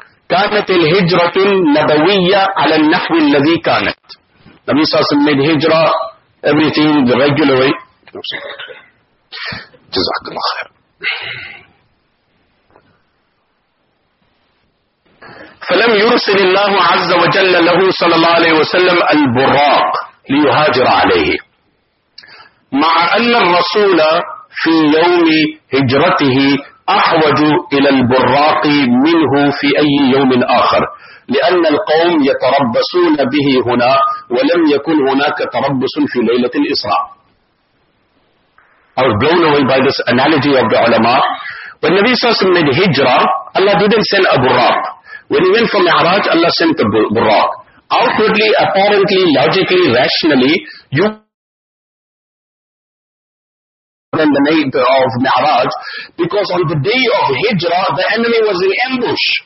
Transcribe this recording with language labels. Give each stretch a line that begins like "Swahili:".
Arabic: كانت الهجرة النبوية على النحو الذي كانت.
English: Nabi Sassam made hijrah, everything, the regular way. Jazakallah khair.
Arabic: فَلَمْ يُرْسِلِ اللَّهُ عَزَّ وَجَلَّ لَهُ صَلَى اللَّهُ عَلَيْهِ وَسَلَّمَ الْبُرَاقِ لِيُهَاجِرَ عَلَيْهِ مَعَ أَنَّ الرَّسُولَ فِي يَوْمِ هِجْرَتِهِ أَحْوَجُ إِلَى الْبُرَاقِ مِنْهُ فِي أَيِّ يَوْمٍ آخَرٍ لأن القوم يتربصون به هنا ولم يكن هناك تربص في ليلة الإسراء.
English: I was blown away by this analogy of the ulama. When Nabi saw some made hijra, Allah didn't send a burraq. When he went for Mi'raj, Allah sent a burraq. Outwardly, apparently, logically, rationally, you than the night of Mi'raj, because on the day of hijra, the enemy was in ambush.